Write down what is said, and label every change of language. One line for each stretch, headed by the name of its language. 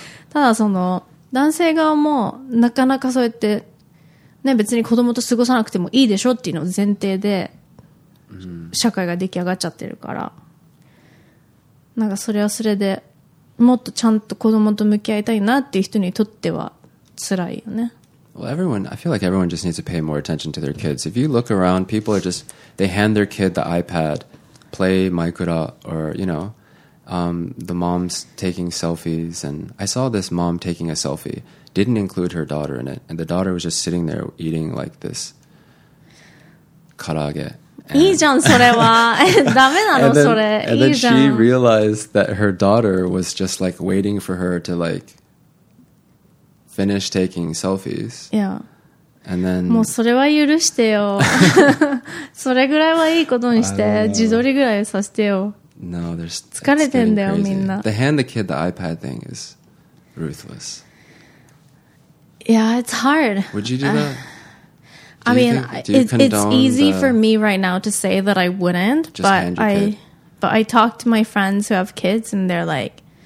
Japanese: ただその男性側もなかなかそうやってね、別に子供と過ごさなくてもいいでしょっていうのを前提で社会が出来上がっちゃってるから、なんかそれはそれでもっとちゃんと子供と向き合いたいなっていう人にとっては辛いよね。
English: Well, everyone, I feel like everyone just needs to pay more attention to their kids. If you look around, people are just, they hand their kid the iPad, play Maikura, or, you know, the mom's taking selfies, and I saw this mom taking a selfie, didn't include her daughter in it, and the daughter was just sitting there eating like this karaage.
Japanese: いいじゃんそれは。ダメなのそれ。
English: And then she realized that her daughter was just like waiting for her to like,finish taking selfies. Yeah. And then...
Japanese: もうそれは許してよ。それぐらいはいいことにして、自撮りぐらいさせてよ。
English: No, there's...
Japanese: 疲れてんだよ、みんな。
English: The hand the kid the iPad thing is ruthless. Yeah, it's hard. Would you do that? It's easy for me right now to say that I wouldn't, but I talk to my friends who have kids, and they're like...